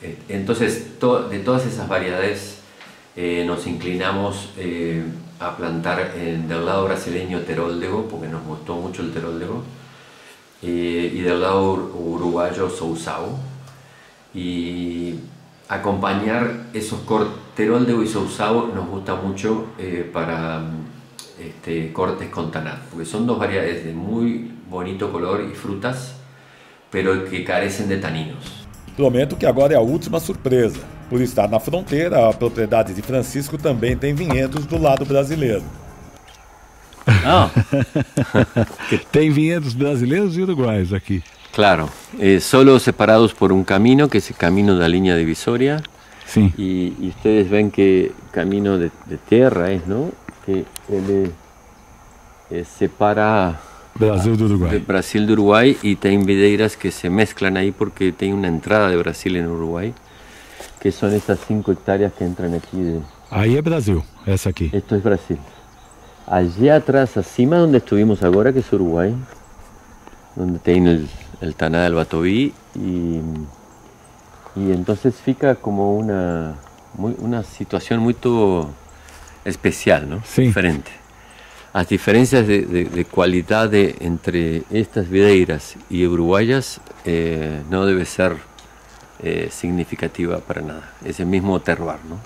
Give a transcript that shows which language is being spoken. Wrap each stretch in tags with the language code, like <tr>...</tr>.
<es>Entonces, de todas esas variedades nos inclinamos a plantar del lado brasileño Teroldego, porque nos gustó mucho el Teroldego, y del lado uruguayo Sousao, y acompañar esos cortes. Teroldego y Sousao nos gusta mucho para cortes con tanat, porque son dos variedades de muy bonito color y frutas, pero que carecen de taninos.</es> <pt>Prometo que agora é a última surpresa. Por estar na fronteira, a propriedade de Francisco também tem vinhedos do lado brasileiro. Ah! Tem vinhedos brasileiros e uruguaios aqui. Claro. Solo separados por um caminho, que é esse caminho da linha divisória. Sim. E vocês veem que caminho de terra é, não? Que ele separa...</pt> <es>Brasil de Uruguay. Brasil de Uruguay y hay videiras que se mezclan ahí porque hay una entrada de Brasil en Uruguay, que son esas 5 hectáreas que entran aquí. De... Ahí es Brasil, esa aquí. Esto es Brasil. Allí atrás, acima donde estuvimos ahora, que es Uruguay, donde tiene el Taná del Batoví, y entonces fica como una situación muy especial, ¿no? Sí. Diferente.</es> <pt>As diferenças de qualidade entre estas videiras e uruguaias não deve ser significativa para nada. É o mesmo terroir, não?</pt>